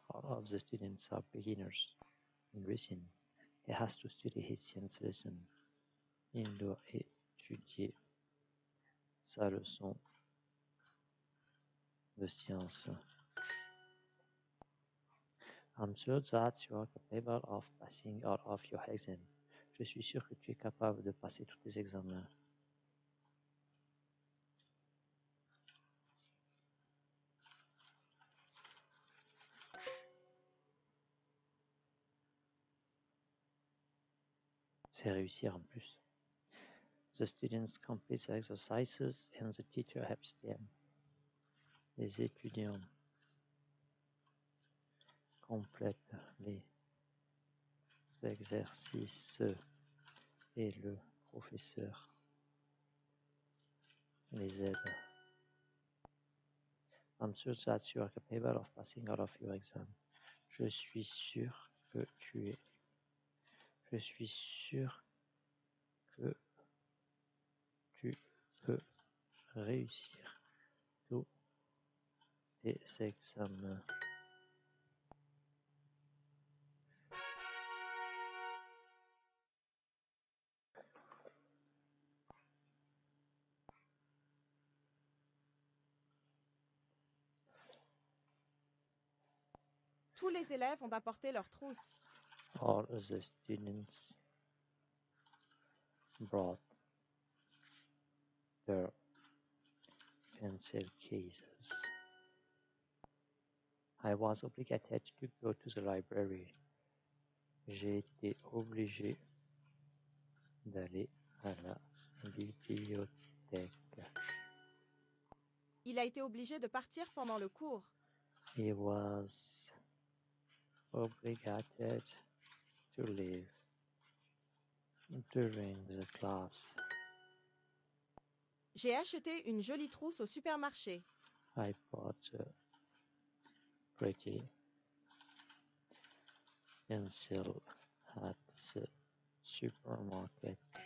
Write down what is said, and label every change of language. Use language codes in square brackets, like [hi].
[en] All of the students are beginners in Russian. He has to study his science lesson. [fr] Il doit étudier sa leçon [en] the science. I'm sure that you are capable of passing all of your exams. [fr] Je suis sûr que tu es capable de passer tous tes examens. C'est réussir en plus. [en] The students complete the exercises and the teacher helps them. [fr] Les étudiants complètent les exercices et le professeur les aide. [en] I'm sure that you are capable of passing all of your exams. [fr] Je suis sûr que tu es. Je suis sûr que tu peux réussir tous tes examens. Tous les élèves ont apporté leurs trousses. [en] All the students brought their pencil cases. I was obligated to go to the library. [fr] J'ai été obligé d'aller à la bibliothèque. Il a été obligé de partir pendant le cours. [en] He was obligated to leave during the class. [fr] J'ai acheté une jolie trousse au supermarché. [en] I bought a pretty pencil at the supermarket.